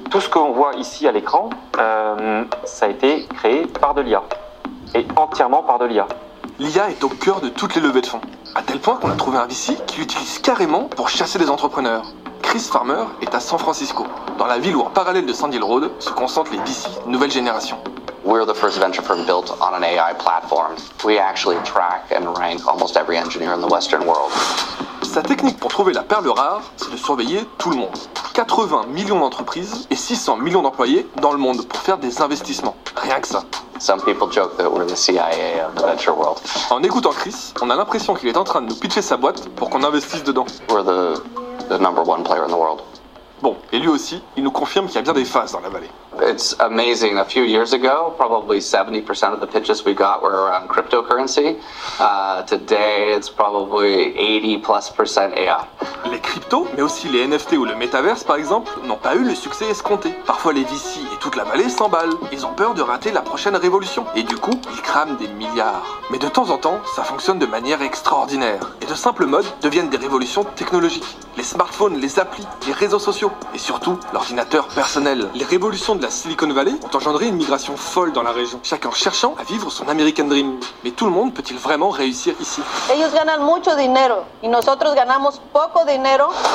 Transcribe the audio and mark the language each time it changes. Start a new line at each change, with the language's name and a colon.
French: Tout ce qu'on voit ici à l'écran, ça a été créé par de l'IA et entièrement par de l'IA. L'IA est au cœur de toutes les levées de fonds, à tel point qu'on a trouvé un VC qui l'utilise carrément pour chasser des entrepreneurs. Chris Farmer est à San Francisco, dans la ville où, en parallèle de Sand Hill Road, se concentrent les VC nouvelle génération.
English: We're the first venture firm built on an AI platform. We actually track and rank almost every engineer in the Western world.
French: Sa technique pour trouver la perle rare, c'est de surveiller tout le monde. 80 millions d'entreprises et 600 millions d'employés dans le monde pour faire des investissements. Rien que ça.
English: Some people joke that we're the CIA of the venture world.
French: En écoutant Chris, on a l'impression qu'il est en train de nous pitcher sa boîte pour qu'on investisse dedans.
English: We're the number one player in the world.
French: Bon, et lui aussi, il nous confirme qu'il y a bien des phases dans la vallée.
English: It's amazing. A few years ago, probably 70% of the pitches we got were around cryptocurrency. Today, it's probably 80%+ AI.
French: Les cryptos, mais aussi les NFT ou le metaverse, par exemple, n'ont pas eu le succès escompté. Parfois, les VC et toute la vallée s'emballent. Ils ont peur de rater la prochaine révolution. Et du coup, ils crament des milliards. Mais de temps en temps, ça fonctionne de manière extraordinaire. Et de simples modes deviennent des révolutions technologiques. Les smartphones, les applis, les réseaux sociaux. Et surtout, l'ordinateur personnel. Les révolutions de la Silicon Valley ont engendré une migration folle dans la région, chacun cherchant à vivre son American Dream. Mais tout le monde peut-il vraiment réussir ici?
Spanish: Ellos ganan mucho dinero y nosotros ganamos poco dinero.